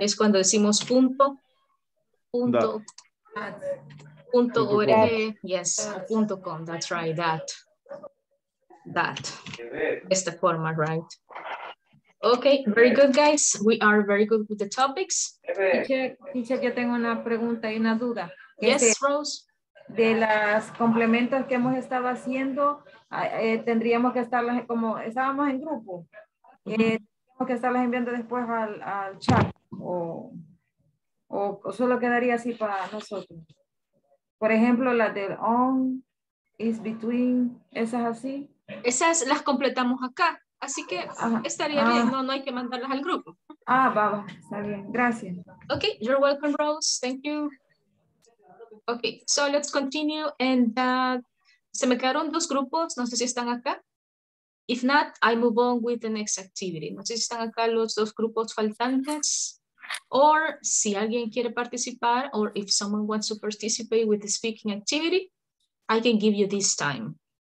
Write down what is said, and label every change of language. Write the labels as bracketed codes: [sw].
[es] Es cuando decimos punto, punto, punto org, yes, punto com, [en] that's right, that, [es] es [en] the format, right? Okay, very good, guys, we are very good with the topics. [es] Teacher, yo tengo una pregunta y una duda. [en] Yes, Rose. [es] De las complementos que hemos estado haciendo, tendríamos que estar como estábamos en grupo, tendríamos que estarlas enviando después al chat. O solo quedaría así para nosotros. Por ejemplo, la del [en] on, is between, [es] esas así. Esas las completamos acá, así que estaría bien, no hay que mandarlas al grupo. Ah, va, está bien, gracias. [en] Ok, you're welcome, Rose, thank you. Ok, so let's continue and [es] se me quedaron dos grupos, no sé si están acá. [en] If not, I move on with the next activity. [es] No sé si están acá los dos grupos faltantes. [en] Or [es] si alguien quiere participar, [en] or if someone wants to participate with the speaking activity, I can give you this time.